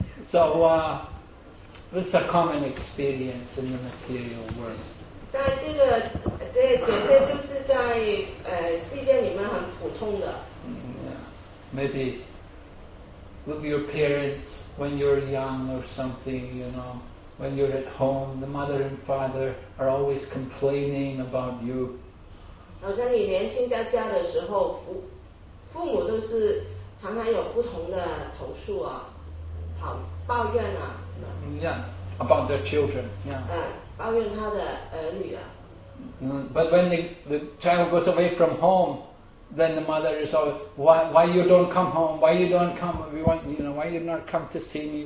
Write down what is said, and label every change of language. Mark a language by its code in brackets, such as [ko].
[en] So, this is a common experience in the material world. Maybe with your parents when you're young or something, you know, when you're at home, the mother and father are always complaining about you. [zh] 好像你年轻在家的时候，父母都是常常有不同的投诉啊，好抱怨啊。Yeah, [en] about their children. Yeah. [zh] 抱怨他的儿女啊。 [en] But when the child goes away from home, then the mother is always, why you don't come home? Why you don't come? We want, you know, why you not come to see me?